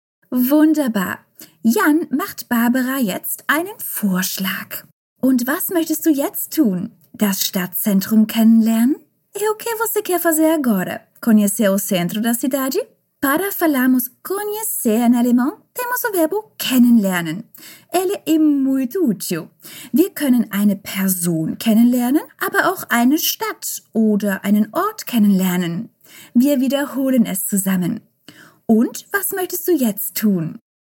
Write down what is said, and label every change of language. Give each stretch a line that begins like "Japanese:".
German: Wunderbar. Jan macht Barbara jetzt einen Vorschlag. Und was möchtest du jetzt tun? Das Stadtzentrum kennenlernen?
Portuguese: E o que você quer fazer agora? Conhecer o centro da cidade? Para falarmos conhecer em alemão, temos o verbo kennenlernen. Ele é muito útil.
German: Wir können eine Person kennenlernen, aber auch eine Stadt oder einen Ort kennenlernen. Wir wiederholen es zusammen. Und was möchtest du jetzt tun?